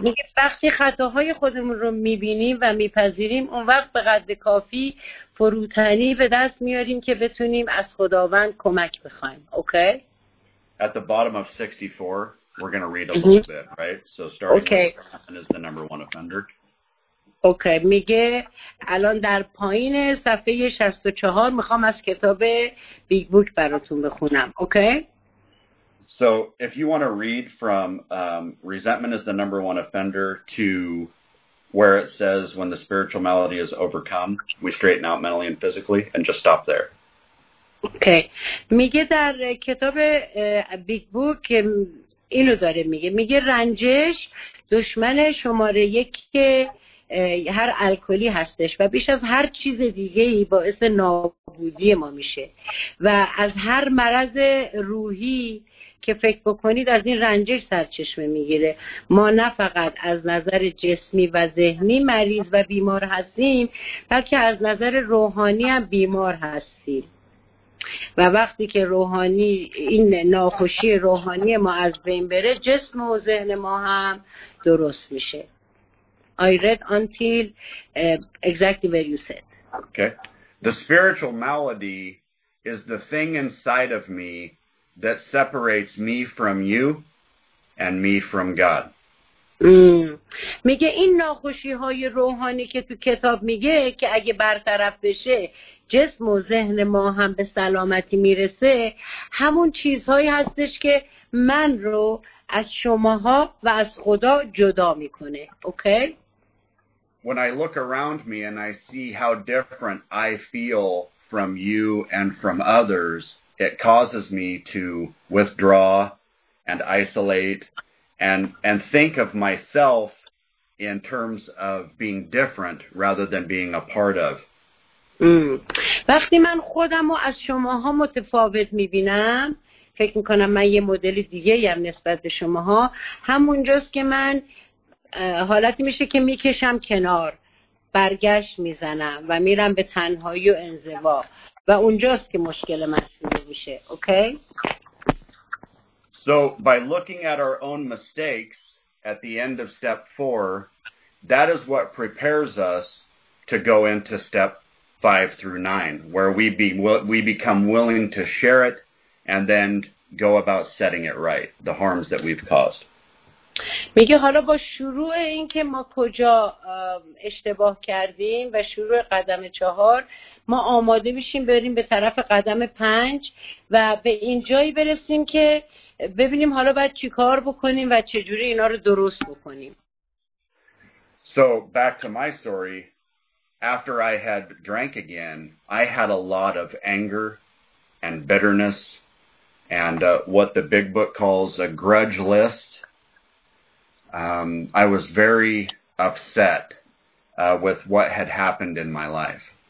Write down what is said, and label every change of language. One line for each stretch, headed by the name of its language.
Persian: میگه وقتی خطاهای خودمون رو میبینیم و میپذیریم، اون وقت به قدر کافی فروتنی به دست میاریم که بتونیم از خداوند کمک بخوایم. Okay.
English: at the bottom of 64, we're going to read a little bit, right? So starting with is the number one offender.
Persian: اوکی میگه الان در پایین صفحه 64 میخوام از کتاب بیگ بوک براتون بخونم اوکی
English: So if you want to read from resentment is the number one offender to where it says when the spiritual malady is overcome we straighten out mentally and physically and just stop there
Persian: اوکی میگه در کتاب بیگ بوک اینو داره میگه رنجش دشمن شماره یک که هر الکلی هستش و بیش از هر چیز دیگه‌ای باعث نابودی ما میشه و از هر مرض روحی که فکر بکنید از این رنجش سرچشمه میگیره ما نه فقط از نظر جسمی و ذهنی مریض و بیمار هستیم بلکه از نظر روحانی هم بیمار هستیم و وقتی که روحانی این ناخوشی روحانی ما از بین بره جسم و ذهن ما هم درست میشه
English: I read until exactly where you said. Okay. The spiritual malady is the thing inside of me that separates me from you and me from God.
Persian: میگه این ناخوشی‌های روحانی که تو کتاب میگه که اگه برطرف بشه جسم و ذهن ما هم به سلامتی میرسه همون چیزهایی هستش که من رو از شماها و از خدا جدا میکنه.
English: Okay? When I look around me and I see how different I feel from you and from others, it causes me to withdraw and isolate and think of myself in terms of being different rather than being a part of.
Persian: وقتی من خودم رو از شماها متفاوت می‌بینم، فکر می‌کنم من یه مدل دیگه‌ام نسبت به شماها، همونجاست که من حالتی میشه که میکشم کنار برگشت میزنم و میرم به تنهایی و انزوا و اونجاست که مشکل من شروع میشه اوکی
English: So by looking at our own mistakes at the end of step 4 that is what prepares us to go into step 5 through 9 where we become willing to share it and then go about setting it right the harms that we've caused
Persian: میگه حالا با شروع این که ما کجا اشتباه کردیم و شروع قدم 4 ما آماده میشیم بریم به طرف قدم 5 و به این جایی برسیم که ببینیم حالا باید چی کار بکنیم و چجوری اینا رو درست بکنیم
English: So back to my story after I had drank again I had a lot of anger and bitterness and what the big book calls a grudge list I was very upset with what had happened in my life.